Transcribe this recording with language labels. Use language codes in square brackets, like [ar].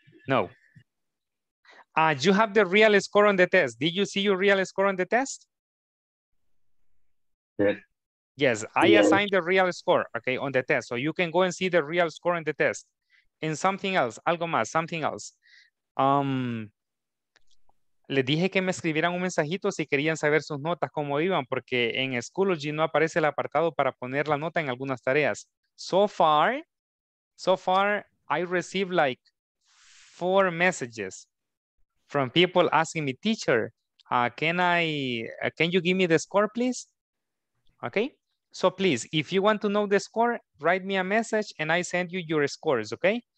[en] No. You have the real score on the test. Did you see your real score on the test? Yes. Yes, I assigned the real score, okay, on the test. So you can go and see the real score on the test. And something else, [es] algo más, [en] something else. [es] Le dije que me escribieran un mensajito si querían saber sus notas, cómo iban, porque en Schoology no aparece el apartado para poner la nota en algunas tareas. [en] So far, I received like 4 messages from people asking me, teacher, can you give me the score, please? Okay, so please, if you want to know the score, write me a message and I send you your scores, okay?